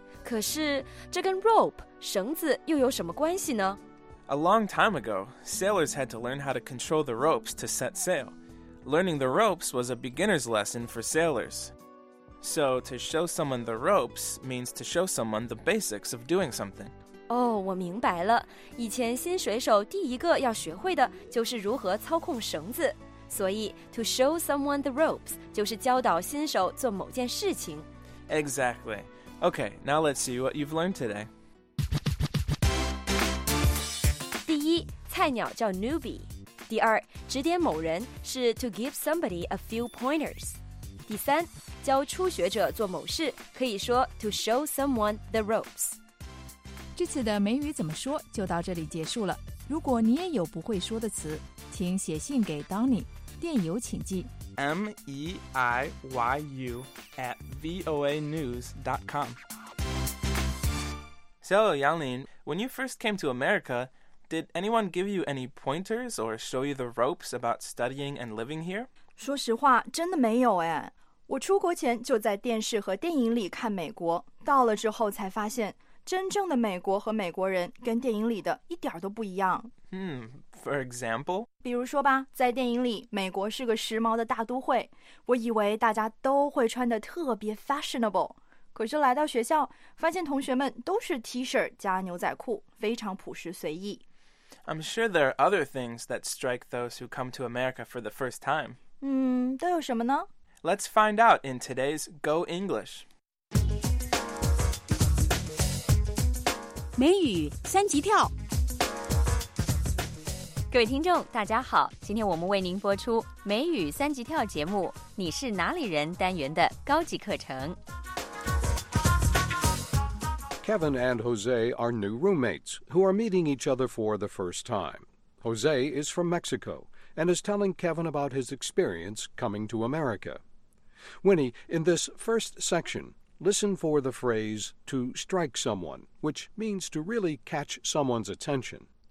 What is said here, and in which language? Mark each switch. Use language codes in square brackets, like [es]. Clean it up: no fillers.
[zh] 可是这跟 rope 绳子又有什么关系呢？ [en] A long time ago, sailors had to learn how to control the ropes to set sail. Learning the ropes was a beginner's lesson for sailors. So to show someone the ropes means to show someone the basics of doing something. [zh] 哦，我明白了。以前新水手第一个要学会的就是如何操控绳子。所以 to show someone the ropes 就是教导新手做某件事情。 [en] Exactly. Okay, now let's see what you've learned today. [zh] 第一，菜鸟叫 newbie。第二，指点某人是 to give somebody a few pointers。第三，教初学者做某事可以说 to show someone the ropes。这次的美语怎么说就到这里结束了。如果你也有不会说的词，请写信给 Donny， 电邮请寄 [en] meiyu@voanews.com. So, Yanglin, when you first came to America, did anyone give you any pointers or show you the ropes about studying and living here? [zh] 说实话，真的没有哎。我出国前就在电视和电影里看美国，到了之后才发现真正的美国和美国人跟电影里的一点都不一样。 [en] For example? [zh] 比如说吧，在电影里，美国是个时髦的大都会，我以为大家都会穿得特别 fashionable， 可是来到学校，发现同学们都是 T-shirt 加牛仔裤，非常朴实随意。 [en] I'm sure there are other things that strike those who come to America for the first time. [zh] 都有什么呢？ [en] Let's find out in today's Go English. [zh] 美语三级跳，各位听众大家好，今天我们为您播出美语三级跳节目你是哪里人单元的高级课程。 [en] Kevin and Jose are new roommates who are meeting each other for the first time. Jose is from Mexico and is telling Kevin about his experience coming to America. Winnie, in this first sectionListen for the phrase to strike someone, which means to really catch someone's attention.